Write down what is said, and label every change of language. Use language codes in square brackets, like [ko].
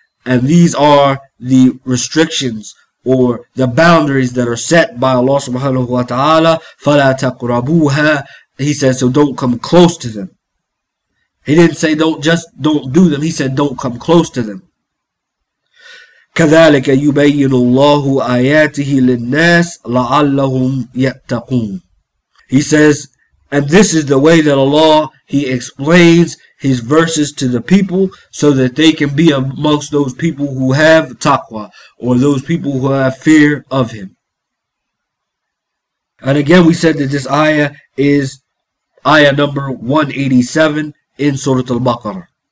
[en] And these are the restrictions or the boundaries that are set by Allah subhanahu wa ta'ala. [ar] فَلَا تَقْرَبُوهَا. [en] He says, so don't come close to them. He didn't say don't do them. He said don't come close to them. [ar] كذلك يبين الله آياته للناس لعلهم يتقون. [en] He says, and this is the way that Allah, he explains his verses to the people so that they can be amongst those people who have taqwa, or those people who have fear of him. And again, we said that this ayah is ayah number 187 in Surah Al-Baqarah.